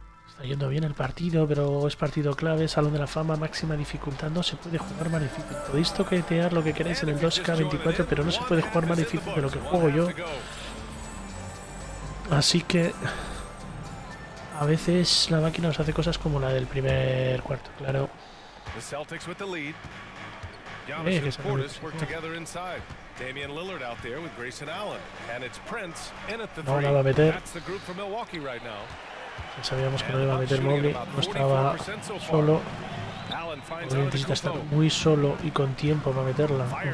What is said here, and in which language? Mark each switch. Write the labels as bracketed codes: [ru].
[es] Está yendo bien el partido, pero es partido clave, salón de la fama, máxima dificultad. No se puede jugar más difícil. Podéis toquetear lo que queráis en el 2K24, pero no se puede jugar más difícil de lo que juego yo. Así que a veces la máquina os hace cosas como la del primer cuarto, claro. [en] Damian Lillard out there with Grayson Allen, and it's Prince in at the three. [es] No la va a meter. [en] That's the group from Milwaukee right now. [es] Ya sabíamos que no iba a meter Mobley, no estaba solo. Mobley necesita estar muy solo y con tiempo para meterla.